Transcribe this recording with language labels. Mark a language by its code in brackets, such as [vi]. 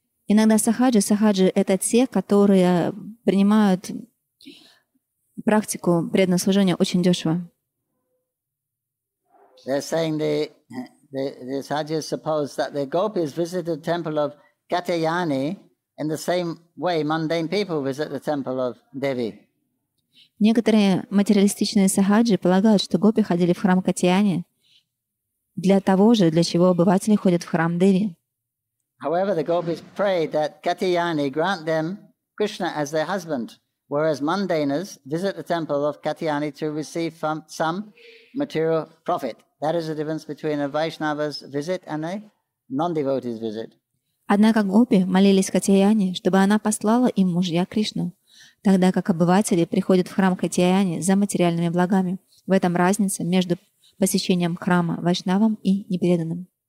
[ru] Иногда сахаджи – это те, которые принимают практику преданного служения очень дешево. [en] They're saying the sahajis suppose that the gopis visited the temple of Katayani in the same way mundane people visit the temple of Devi. [ru] Некоторые материалистичные сахаджи полагают, что гопи ходили в храм Катаяни для того же, для чего обыватели ходят в храм Деви. [en] However, the gopis prayed that Katayani grant them Krishna as their husband, whereas mundaners visit the temple of Katayani to receive some material profit. That is the difference between a Vaishnava's visit and a non-devotee's visit. [ru] Однако гопи молились Катаяне, чтобы она послала им мужья Кришну, тогда как обыватели приходят в храм Катаяне за материальными благами. В этом разница между посещением храма Вайшнавам и непреданным.